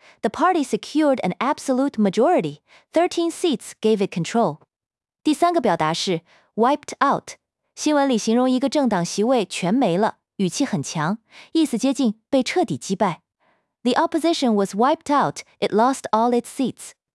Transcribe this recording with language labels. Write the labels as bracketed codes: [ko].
[en] The party secured an absolute majority， 13 seats gave it control。 [zh] 第三个表达是 wiped out， 新闻里形容一个政党席位全没了，语气很强，意思接近被彻底击败。 [en] The opposition was wiped out， it lost all its seats。